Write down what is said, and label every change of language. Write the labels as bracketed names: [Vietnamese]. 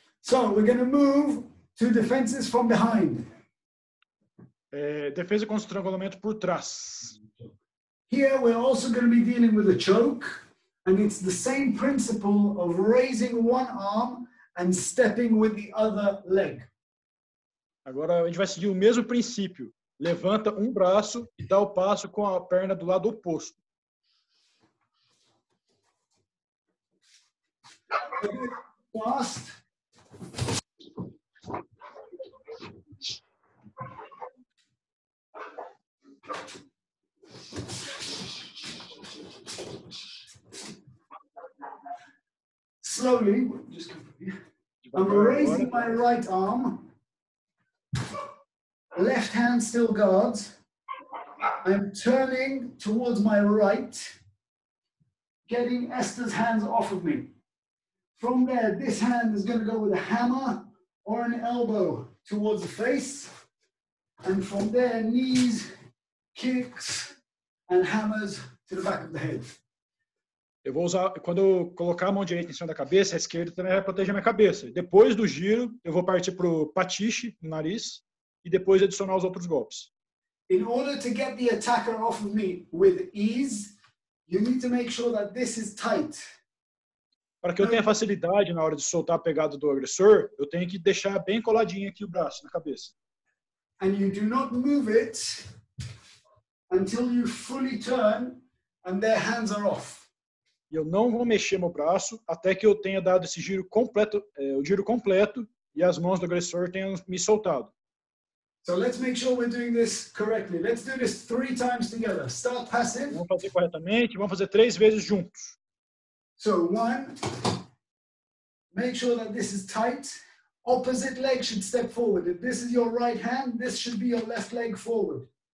[English] So, we're going to move to defenses from behind. [Portuguese] É, defesa contra o estrangulamento por trás. [English] Here, we're also going to be dealing with a choke. And it's the same principle of raising one arm and stepping with the other leg. [Portuguese] Agora a gente vai seguir o mesmo princípio. Levanta um braço e dá o passo com a perna do lado oposto. [English] Fast. Slowly, I'm raising my right arm, left hand still guards, I'm turning towards my right, getting Esther's hands off of me. From there, this hand is going to go with a hammer or an elbow towards the face, and from there, knees, kicks, and hammers to the back of the head. [Portuguese] Eu vou usar, quando eu colocar a mão direita em cima da cabeça, a esquerda também vai proteger a minha cabeça. Depois do giro, eu vou partir para o patiche, no nariz, e depois adicionar os outros golpes. [English] In order to get the attacker off of me with ease, you need to make sure that this is tight. [Portuguese] Para que eu tenha facilidade na hora de soltar a pegada do agressor, eu tenho que deixar bem coladinho aqui o braço, na cabeça. [English] And you do not move it until you fully turn and their hands are off. [Portuguese] E eu não vou mexer meu braço até que eu tenha dado esse giro completo, o giro completo, e as mãos do agressor tenham me soltado. [English] So let's make sure we're doing this correctly. Let's do this 3 times together. Start passive. [Portuguese] Vamos fazer corretamente, vamos fazer 3 vezes juntos. [English] So one, make sure that this is tight. Opposite leg should step forward. If this is your right hand, this should be your left leg forward.